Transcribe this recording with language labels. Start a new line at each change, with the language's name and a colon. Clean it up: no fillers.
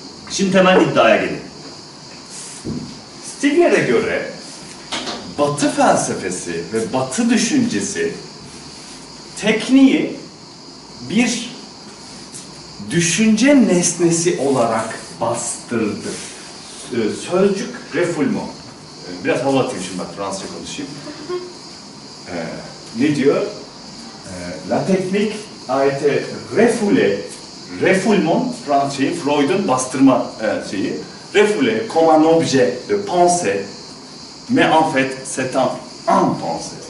Turkish: Şimdi hemen iddiaya gelin. Stigler'e göre Batı felsefesi ve Batı düşüncesi tekniği bir düşünce nesnesi olarak bastırdı. Sözcük refoulement. Biraz hava atayım şimdi, bak Fransızca konuşayım. Ne diyor?
French: La technique a été refoulée.
Turkish: Refoulement, Fransızca'yı, Freud'un bastırma şeyi.
French: Refoulée comme un objet de pensée. Mais en fait, c'est un pensée.